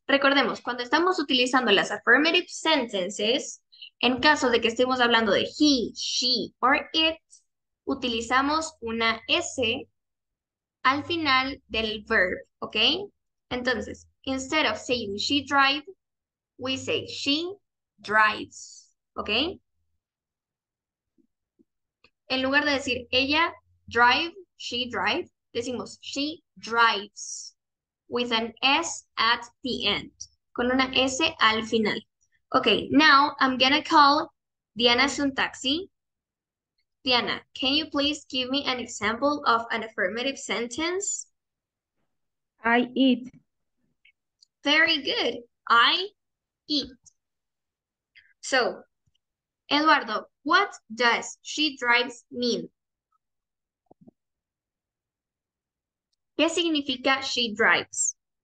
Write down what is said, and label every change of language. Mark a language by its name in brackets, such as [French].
[Spanish] Recordemos, cuando estamos utilizando las affirmative sentences, en caso de que estemos hablando de he, she, or it, utilizamos una S al final del verb, ¿ok? Entonces, [English] Instead of saying she drive, we say she drives. ¿Ok? [Spanish] En lugar de decir ella drive, she drive, decimos [English] she drives with an S at the end. [Spanish] Con una S al final. [English] Ok, now I'm gonna call Diana's un taxi. Diana, can you please give me an example of an affirmative sentence? I eat. Very good. I eat. So, Eduardo, what does she drives mean? [Spanish] ¿Qué significa she drives?